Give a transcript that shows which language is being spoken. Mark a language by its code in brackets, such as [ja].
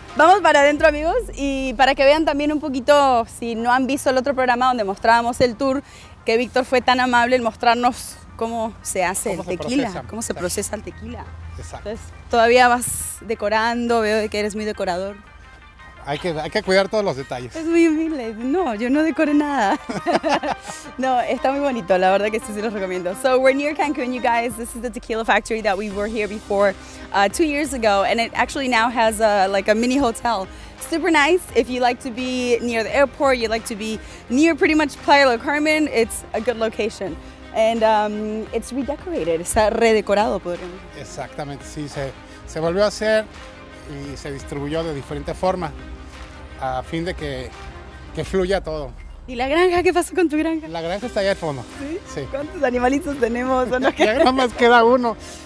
[es] Vamos para adentro, amigos, y para que vean también un poquito, si no han visto el otro programa donde mostrábamos el tour, que Víctor fue tan amable en mostrarnos cómo se hace el tequila, cómo se procesa el tequila. Exacto. Entonces, todavía vas decorando, veo que eres muy decorador. Hay que cuidar todos los detalles. Es muy humilde. No, yo no decoré nada. No, está muy bonito, la verdad que sí, se los recomiendo. [en] So, we're near Cancun, you guys. This is the tequila factory that we were here before 2 years ago, and it actually now has a mini hotel. Super nice. If you like to be near the airport, you like to be near pretty much Playa del Carmen, it's a good location. And it's redecorated. [es] Está redecorado, podríamos decir. Exactamente, sí. Se volvió a hacer y se distribuyó de diferente forma a fin de que fluya todo. ¿Y la granja? ¿Qué pasó con tu granja? La granja está allá al fondo. ¿Sí? ¿Cuántos animalitos tenemos? ¿No? Ya nada más queda uno.